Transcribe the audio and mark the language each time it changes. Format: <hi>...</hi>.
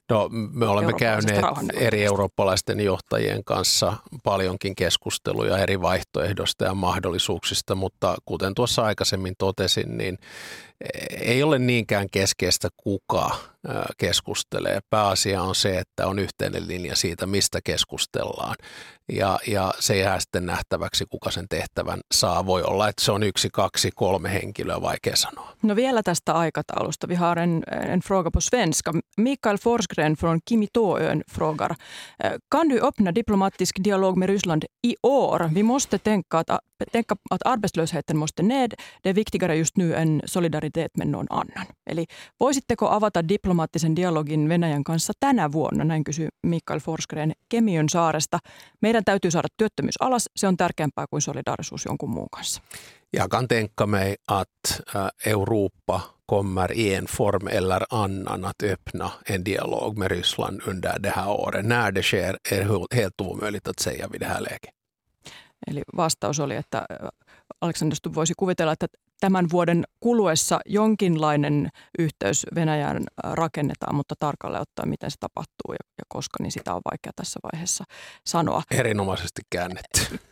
<fi>No, me olemme käyneet eri eurooppalaisten johtajien kanssa paljonkin keskusteluja eri vaihtoehdosta ja mahdollisuuksista, mutta kuten tuossa aikaisemmin totesin, niin ei ole niinkään keskeistä, kuka keskustelee. Pääasia on se, että on yhteinen linja siitä, mistä keskustellaan. Ja se jää sitten nähtäväksi, kuka sen tehtävän saa. Voi olla, että se on yksi, kaksi, kolme henkilöä, vaikea sanoa. No vielä tästä aikataulusta.</fi> <sv>Vi har en fråga på svenska. Mikael Forsgren från Kimitoön frågar. Kan du öppna diplomatisk dialog med Ryssland i år? Vi måste tänka att arbetslösheten måste ned. Det är viktigare just nu än solidaritet med någon annan.</sv> <fi>Eli voisitteko avata diplomaattisen dialogin Venäjän kanssa tänä vuonna? Näin kysyy Mikael Forsgren Kemiön saaresta. Meidän täytyy saada työttömyys alas. Se on tärkeämpää kuin solidaarisuus jonkun muun kanssa.</fi> <sv>Jakan tänkkamei, att Europa kommer i en form eller annan att öppna en dialog med Ryssland under det här året. När det sker är helt omöjligt att säga vid det här läget.</sv> <fi>Eli vastaus oli, että Alexander Stubb voisi kuvitella, että tämän vuoden kuluessa jonkinlainen yhteys Venäjään rakennetaan, mutta tarkalleen ottaen, miten se tapahtuu ja koska, niin sitä on vaikea tässä vaiheessa sanoa. Erinomaisesti käännetty.</fi>